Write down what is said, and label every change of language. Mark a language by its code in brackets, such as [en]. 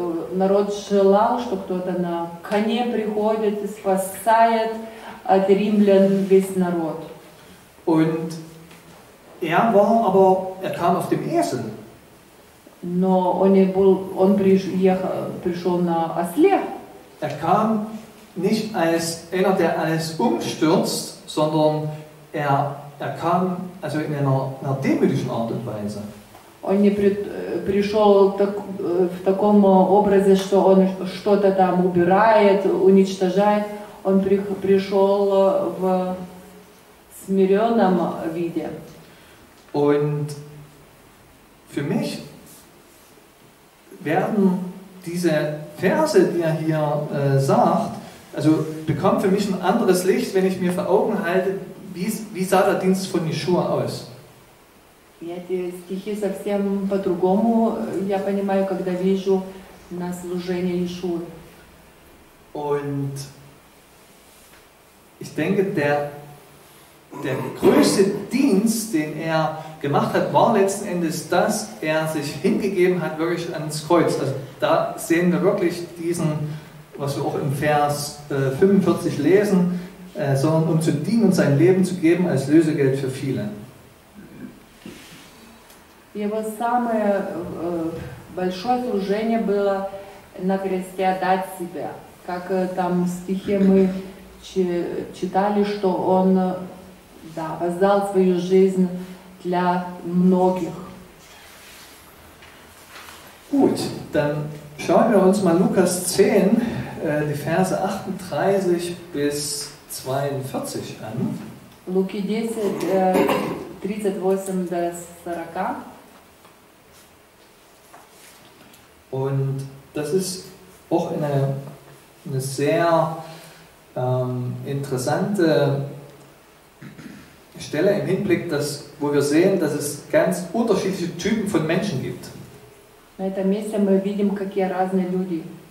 [ru] Народ желал, что кто-то на коне приходит и спасает от римлян весь народ. [de] Und er war aber, er kam auf dem Esel. [ru] Но он пришел на осле. [de] Er kam nicht als einer, der alles umstürzt, sondern er kam also in einer demütigen Art und Weise. [ru] Он не пришел в таком образе, что он что-то там убирает, уничтожает. Он пришел в смиренном виде. [de] Und für mich werden diese Verse, die er hier sagt, also bekommen für mich ein anderes Licht, wenn ich mir vor Augen halte, wie sah der Dienst von Yeshua aus. [ru] Эти стихи совсем по-другому я понимаю, когда вижу на служение Иешуа. [de] Und ich denke, der größte Dienst, den er gemacht hat, war letzten Endes, dass er sich hingegeben hat wirklich ans Kreuz. Also da sehen wir wirklich diesen, was wir auch im Vers 45 lesen, sondern um zu dienen und sein Leben zu geben als Lösegeld für viele. [ru] Его самое большое служение было на кресте отдать себя. Как там в стихе мы читали, что он воздал свою жизнь для многих. [de] Gut, dann schauen wir uns mal Lukas 10, die Verse 38 bis 42 an. [ru] Луки 10, 38 до 40. [de] Und das ist auch eine sehr interessante Stelle im Hinblick, dass, wo wir sehen, dass es ganz unterschiedliche Typen von Menschen gibt. [ru] На этом месте мы видим, какие разные люди.